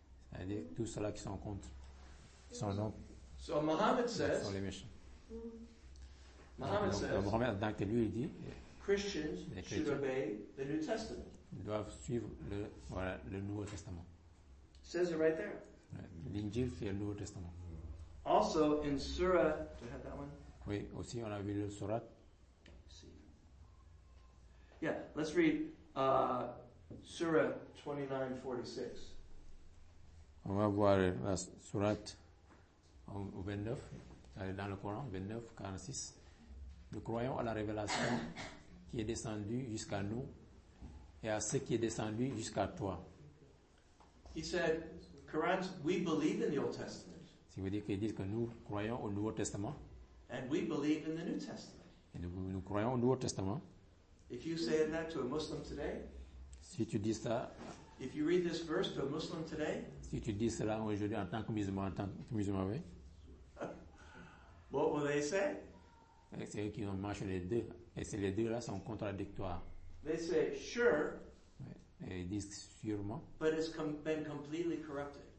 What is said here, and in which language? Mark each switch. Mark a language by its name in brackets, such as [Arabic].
[French] C'est-à-dire tous ceux-là qui sont contre. Ils sont donc. [English] So Muhammad says. [French] Sont les méchants. [English] Mohammed [French] says, donc, lui, il dit, [English] Christians should obey the New Testament. [French] Ils doivent suivre le, voilà, le Nouveau Testament. [English] It says it right there. [French] L'Injil, c'est le Nouveau Testament. [English] Also in Surah, do you have that one? [French] Oui, aussi on a vu le Surah. [English] Yeah, let's read Surah 29:46. [French] On va voir la Surah 29, dans le Coran, 29:46. Nous croyons à la révélation qui est descendue jusqu'à nous et à ce qui est descendu jusqu'à toi. [English] He said, Quran, we believe in the Old Testament. [French] Ça veut dire qu'ils disent que nous croyons au Nouveau Testament. [English] And we believe in the New Testament. [French] Et nous croyons au Nouveau Testament. [English] If you say that to a Muslim today, [French] si tu dis ça, [English] if you read this verse to a Muslim today, [French] si tu dis cela aujourd'hui en tant que musulman, oui. [English] What will they say? [French] C'est eux qui ont marché les deux. Et ces deux-là sont contradictoires. [English] They say, sure. [French] Et ils disent sûrement. [English] But it's been completely corrupted.